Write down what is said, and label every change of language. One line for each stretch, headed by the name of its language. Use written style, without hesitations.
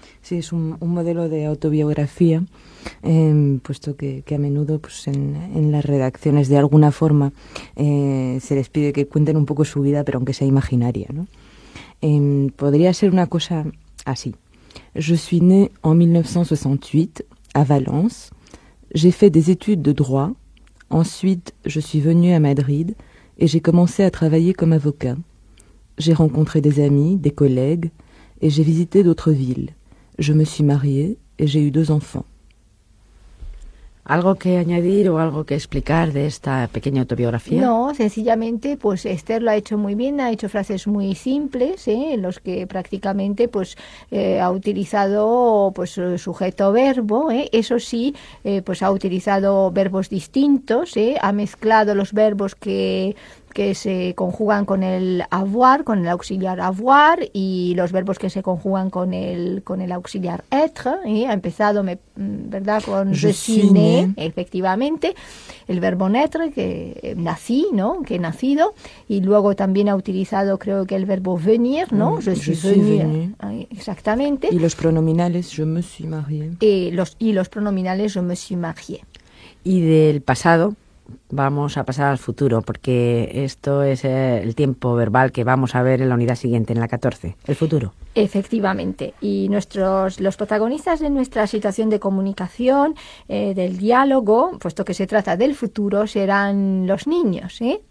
Spanish: Sí, es un modelo de autobiografía, puesto que a menudo pues en las redacciones de alguna forma se les pide que cuenten un poco su vida, pero aunque sea imaginaria, ¿no? Podría ser una cosa así.
French: Je suis née en 1968 à Valence. J'ai fait des études de droit. Ensuite, je suis venue à Madrid et j'ai commencé à travailler comme avocat. J'ai rencontré des amis, des collègues et j'ai visité d'autres villes. Je me suis mariée et j'ai eu deux enfants.
Spanish: ¿Algo que añadir o algo que explicar de esta pequeña autobiografía? No, sencillamente, pues Esther lo ha hecho muy bien, ha hecho frases muy simples, ¿eh? En los que prácticamente pues ha utilizado pues sujeto-verbo, ¿eh? Eso sí, pues ha utilizado verbos distintos, ¿eh? Ha mezclado los verbos que se conjugan con el avoir, con el auxiliar avoir, y los verbos que se conjugan con el auxiliar être, ¿eh? Ha empezado, ¿verdad?, con
French: je suis né,
Spanish: efectivamente, el verbo être, que nací, ¿no?, que he nacido, y luego también ha utilizado, creo que el verbo venir, ¿no?,
French: je suis venu.
Spanish: Exactamente. Y los pronominales,
French: je me suis marié.
Spanish: Y los pronominales,
French: je me suis marié.
Spanish: Y del pasado, vamos a pasar al futuro, porque esto es el tiempo verbal que vamos a ver en la unidad siguiente, en la 14, el futuro. Efectivamente, y los protagonistas de nuestra situación de comunicación, del diálogo, puesto que se trata del futuro, serán los niños, ¿eh?